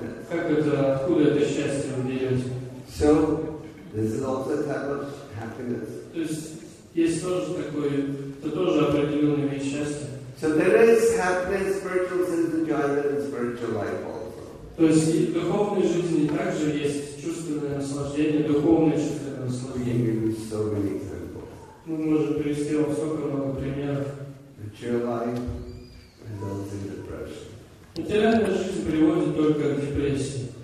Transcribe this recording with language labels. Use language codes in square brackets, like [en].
[ru] Как это, откуда это счастье вы берете? [en] So, this is also a type of happiness. [ru] То есть есть тоже такое, это тоже определенный вид счастья. [en] So there is happiness, spiritual sense enjoyment, and spiritual life also. [ru] То есть и в духовной жизни также есть чувственное наслаждение, духовное чувственное наслаждение. [en] We give you so many examples. [ru] Мы можем привести вам столько много примеров. [en] The true life results in depression. [ru] Материальная жизнь приводит только к депрессии.